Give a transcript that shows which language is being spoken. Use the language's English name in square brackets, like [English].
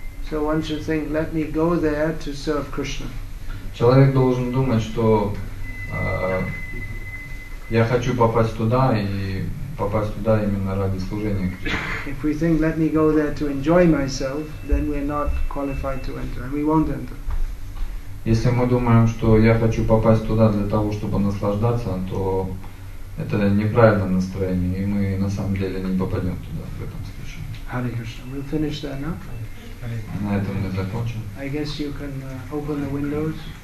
[English] So one should think, let me go there to serve Krishna. [Russian] Человек должен думать, что я хочу попасть туда и попасть туда именно ради служения Кришне. [English] If we think, let me go there to enjoy myself, then we're not qualified to enter, and we won't enter. [Russian] Если мы думаем, что я хочу попасть туда для того, чтобы наслаждаться, то это неправильное настроение, и мы на самом деле не попадем туда в этом случае. [English] Hare Krishna. We'll finish there now. [Russian] На этом мы закончим. [English] I guess you can open the windows.